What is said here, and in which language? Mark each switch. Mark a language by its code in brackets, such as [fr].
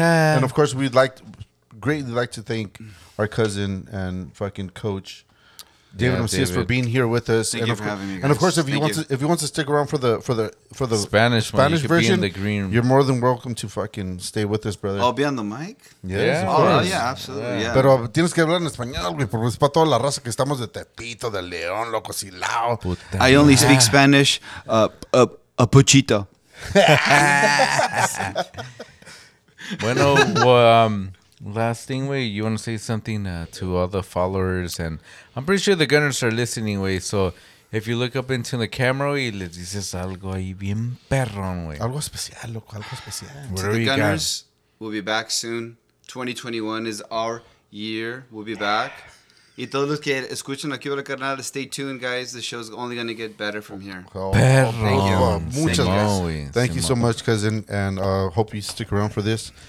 [en] And of course, we'd like, greatly like to thank our cousin and fucking coach, David Macias, for being here with us. Thank you for having me, guys. And of course, if you want to stick around for the Spanish version, be in the green. You're more than welcome to fucking stay with us, brother. I'll be on the mic. Yeah, absolutely. [es] Yeah. Pero tienes que hablar en español, güey, porque es para toda la raza que estamos de Tepito, de León, loco Silao. [en] Puta. I only speak Spanish. A puchito. Bueno, last thing, way you want to say something to all the followers, and I'm pretty sure the Gunners are listening, way. So if you look up into the camera, we [es] les dices algo ahí bien perrón, [en] way. [es] Algo especial, loco, algo especial. [en] Where to the Gunners, we'll be back soon. 2021 is our year. We'll be back. [es] Y todos los que escuchan aquí por el canal, [en] stay tuned, guys. The show's only going to get better from here. [es] Perrón. Muchas gracias. [en] Thank you so much, cousin, and hope you stick around for this.